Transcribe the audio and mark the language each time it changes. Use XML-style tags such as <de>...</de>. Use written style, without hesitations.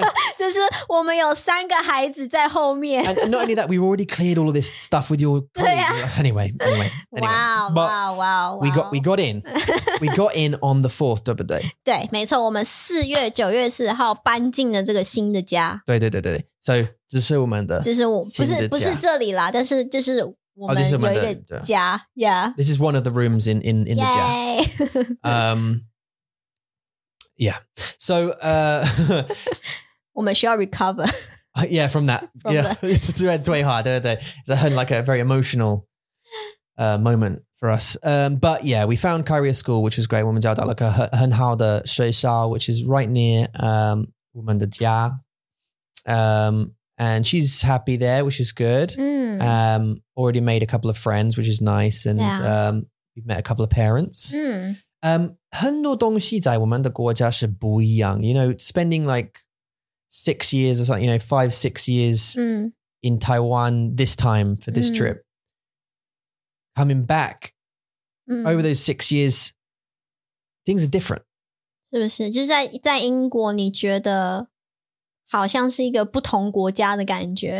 <zh>不行，就是我们有三个孩子在后面。</zh> <en>And not only that, we've already cleared all of this stuff with your colleague. Anyway. Wow. We got in on the 4th double day.</en> <zh>对，没错，我们四月九月四号搬进了这个新的家。对。 So 这是我们的，这是我不是这里啦，但是就是。我们有一个家，yeah.</zh> <en>This is one of the rooms in the jar. Yeah. So,</en> <zh>我们需要 recover.</zh> <en>Yeah, from that. From it's way hard. It's like a very emotional moment for us. But yeah, we found Kyrie School, which was great.</en> <zh>我们找到了个很好的学校,</zh> <en>which is right near</en> <zh>我们的家.</zh> <en>And she's happy there, which is good. Mm. Already made a couple of friends, which is nice. And we've met a couple of parents. Mm.</en> <zh>很多东西在我们的国家是不一样.</zh> <en>You know, spending like 6 years or something, you know, 5-6 years in Taiwan this time for this trip. Coming back over those 6 years, things are different.</en> <zh>是不是？就是在英国，你觉得好像是一个不同国家的感觉。</zh>